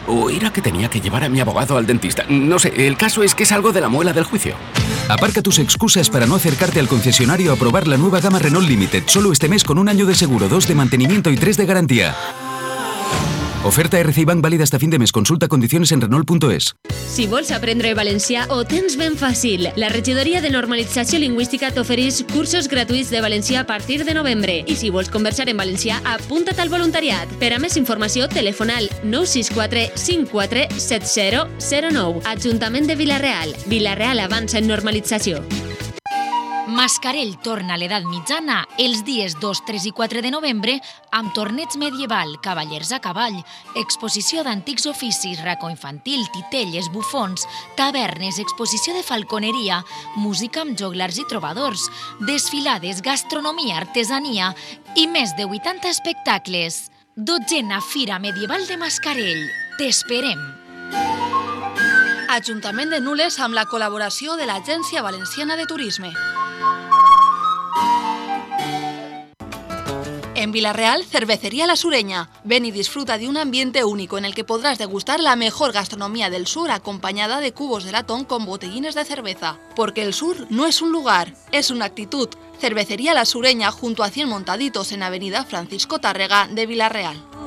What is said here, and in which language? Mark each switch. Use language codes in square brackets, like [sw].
[es] O era que tenía que llevar a mi abogado al dentista. No sé, el caso es que es algo de la muela del juicio. Aparca tus excusas para no acercarte al concesionario a probar la nueva gama Renault Limited. Solo este mes con un año de seguro, 2 de mantenimiento y 3 de garantía. Oferta RC Bank válida hasta fin de mes. Consulta condiciones en Renault.es. [ca] Si vols aprendre valencià ho tens ben fàcil. La Regidoria de Normalització Lingüística t'ofereix cursos gratuïts de valencià a partir de novembre. I si vols conversar en valencià, apunta't al voluntariat. Per a més informació, telefona al 964-547-009. Ajuntament de Vila-real. Vila-real avança en normalització. Mascarell torna a l'edat mitjana els dies 2, 3 i 4 de novembre amb torneig medieval, cavallers a cavall, exposició d'antics oficis, racó infantil, titelles, bufons, tavernes, exposició de falconeria, música amb joglars i trobadors, desfilades, gastronomia, artesania i més de 80 espectacles. 12a Fira Medieval de Mascarell. T'esperem! Ajuntament de Nules amb la col·laboració de l'Agència Valenciana de Turisme. [es] En Villarreal, Cervecería La Sureña. Ven y disfruta de un ambiente único en el que podrás degustar la mejor gastronomía del sur acompañada de cubos de latón con botellines de cerveza. Porque el sur no es un lugar, es una actitud. Cervecería La Sureña junto a 100 montaditos en Avenida Francisco Tárrega de Villarreal.